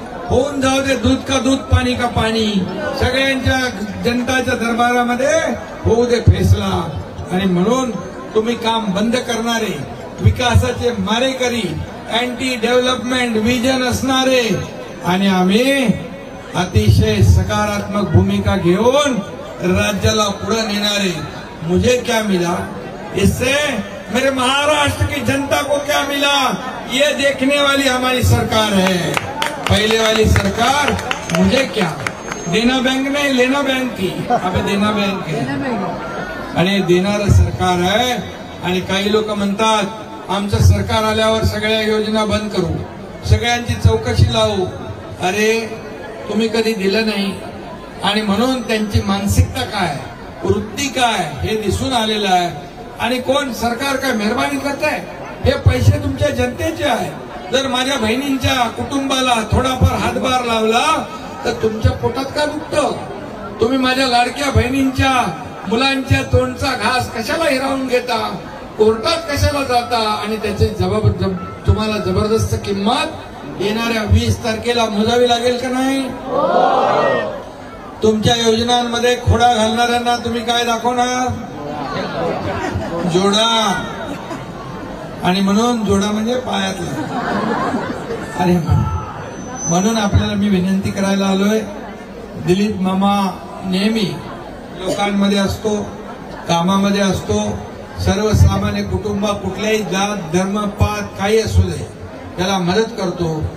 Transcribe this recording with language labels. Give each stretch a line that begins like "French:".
Marathi: होऊन जाऊ दे
Hindi: दूध का दूध
Marathi: पाणी का पाणी, सगळ्यांच्या जनताच्या दरबारामध्ये होऊ दे फैसला। आणि म्हणून तुम्ही काम बंद करणारे, विकासाचे मारेकरी, अँटी डेव्हलपमेंट विजन असणारे, आणि आम्ही अतिशय सकारात्मक भूमिका घेऊन राज्याला पुढे नेणारे।
Hindi: मुझे क्या मिला इससे, मेरे महाराष्ट्र की जनता को क्या मिला, ये देखने वाली हमारी सरकार है। पहले वाली सरकार मुझे क्या, देना बैंक नहीं लेना बैंक की, अबे देना बैंक है,
Marathi: आणि देणार
Hindi: सरकार है।
Marathi: आणि काही लोक म्हणतात आमचं सरकार आल्यावर सगळ्या योजना बंद करू, सगळ्यांची चौकशी लावू, अरे तुम्ही कधी दिलं नाही, आणि म्हणून त्यांची मानसिकता काय, वृत्ती काय हे दिसून आलेलं आहे। आणि कोण सरकार काय मेहरबानी करते, हे पैसे तुमच्या जनतेचे आहे, जर माझ्या बहिणींच्या कुटुंबाला थोडाफार हातभार लावला तर तुमच्या पोटात काय दुखतं, तुम्ही माझ्या लाडक्या बहिणींच्या मुलांच्या तोंडचा घास कशाला हिरावून घेता, कोर्टात कशाला जाता आणि त्याचे जबाब तुम्हाला जबरदस्त किंमत येणाऱ्या 20 तारखेला मोजावी लागेल का नाही? तुमच्या योजनांमध्ये खोडा घालणाऱ्यांना तुम्ही काय दाखवणार? जोडा, आणि म्हणून जोडा म्हणजे पायातला। अरे म्हणून आपल्याला मी विनंती करायला आलोय, दिलीप मामा नेहमी लोकांमध्ये असतो, कामामध्ये असतो, सर्वसामान्य कुटुंब कुठल्याही जात धर्म पात काही असू दे त्याला मदत करतो,